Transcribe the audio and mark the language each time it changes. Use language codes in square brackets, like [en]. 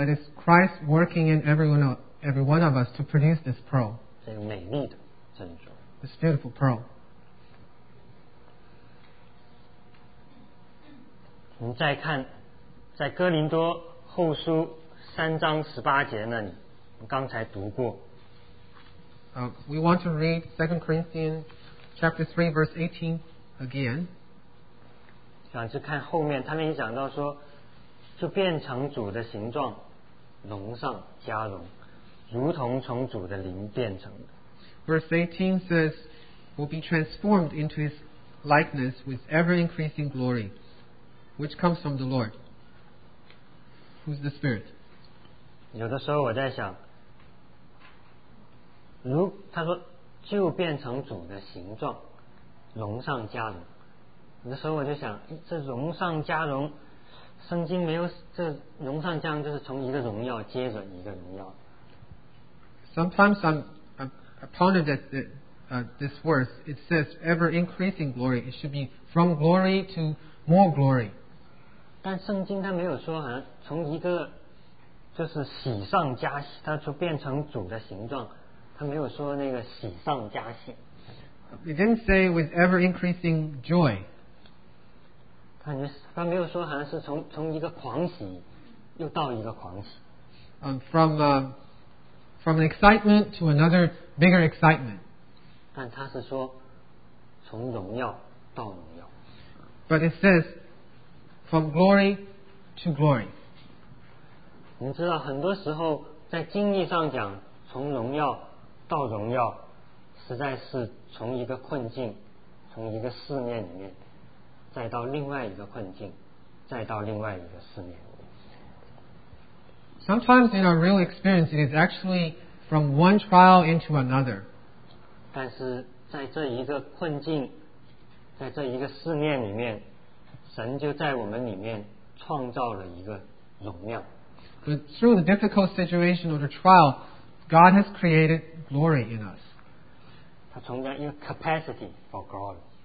[en] That is Christ working in every one of us to produce this pearl. [zh] 这个美丽的珍珠。 [en] This beautiful pearl. [zh] 我们再看，在哥林多后书三章十八节那里，我们刚才读过。 [en] We want to read 2 Corinthians chapter 3 verse 18 again. [zh] 想去看后面，他们也讲到说。就变成主的形状，荣上加荣，如同从主的灵变成的。 [en] Verse 18 says, "Will be transformed into His likeness with ever increasing glory, which comes from the Lord, who's the Spirit." [zh] 有的时候我在想，如他说就变成主的形状，荣上加荣，有的时候我就想，这荣上加荣。圣经没有这荣上加荣，就是从一个荣耀接着一个荣耀。 [en] Sometimes I pondered that this verse. It says ever increasing glory. It should be from glory to more glory. [zh] 但圣经它没有说好像从一个就是喜上加喜，它就变成主的形状。它没有说那个喜上加喜。 [en] It didn't say with ever increasing joy. [zh] 他没有说好像是 从一个狂喜又到一个狂喜。 [en] From an excitement to another bigger excitement. [zh] 但他是说从荣耀到荣耀。 [en] But it says from glory to glory. [zh] 你知道很多时候在经历上讲从荣耀到荣耀实在是从一个困境从一个试炼里面。再到另外一个困境，再到另外一个试炼。 [en] Sometimes in our real experience, it is actually from one trial into another. [zh] 但是在这一个困境，在这一个试炼里面，神就在我们里面创造了一个荣耀。 [en] But through the difficult situation or the trial, God has created glory in us. [zh] 他创造一个 [en] capacity for glory.